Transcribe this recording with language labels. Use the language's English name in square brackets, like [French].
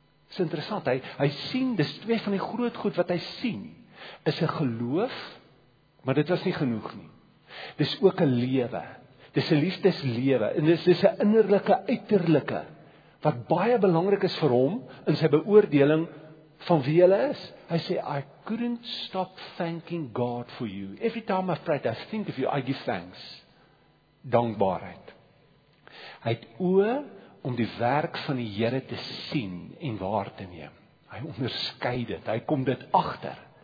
[Afrikaans] Dis interessant, hy sien, dis twee van die groot goed wat hy sien, is 'n geloof, maar dit was nie genoeg nie. Dis ook 'n lewe, dis 'n liefdeslewe, en dis 'n innerlike uiterlike, wat baie belangrik is vir hom, in sy beoordeling van wie hulle is. [English] Hy sê, I couldn't stop thanking God for you. Every time I pray, I think of you, I give thanks. [Afrikaans] Dankbaarheid. Hy het oë om die werk van die Here te sien en waar te neem. Hy onderskei dit, hy kom dit agter.